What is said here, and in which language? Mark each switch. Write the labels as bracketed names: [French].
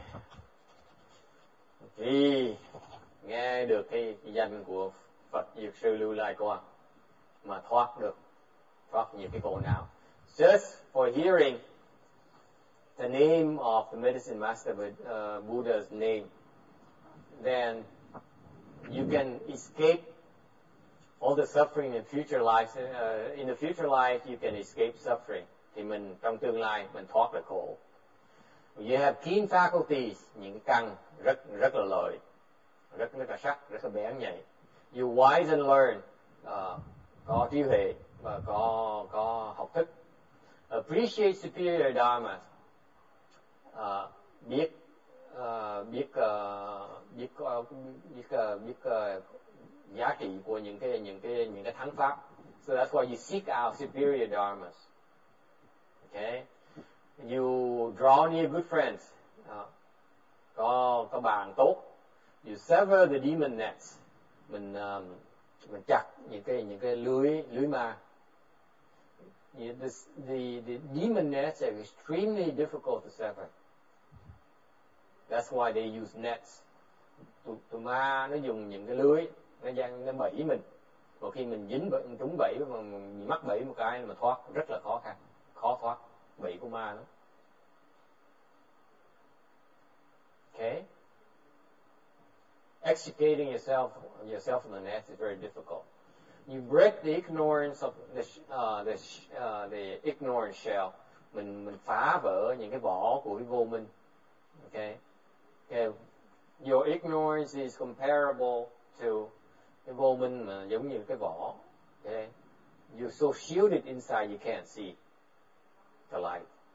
[Vietnamese] Okay. Thì nghe được cái danh của Phật Dược Sư Lưu Lai Quang mà thoát nhiều cái khổ não. [English] Just for hearing the name of the medicine master Buddha's name, then you can escape all the suffering in future lives. In the future life, you can escape suffering. [Vietnamese] Thì mình trong tương lai mình thoát được khổ. [English] You have keen faculties, [Vietnamese] những căn rất rất là lợi, rất rất là sắc, rất là bén nhạy. [English] You wise and learn, [Vietnamese] có trí huệ và có học thức. [English] Appreciate superior dharma, [Vietnamese] biết giá trị của những cái thắng pháp. [English] So that's why you seek out superior dharmas. Okay. You draw near good friends, [Vietnamese] có bạn tốt. [English] You sever the demon nets, [Vietnamese] mình chặt những cái lưới ma. [English] The demon nets are extremely difficult to sever. That's why they use nets. [Vietnamese] Tụ ma nó dùng những cái lưới nó bẫy mình. Và khi mình dính trúng bẫy mà mắc bẫy một cái mà thoát rất là khó khăn, khó thoát bẫy của ma nó. [English] Okay. Extricating yourself from the net is very difficult. You break the ignorance of the ignorant shell. [Vietnamese] Mình phá vỡ những cái vỏ của cái vô minh. Okay. [English] Your ignorance is comparable to [Vietnamese] cái vô minh mà giống như cái vỏ. [English] Okay? You're so shielded inside, you can't see the light.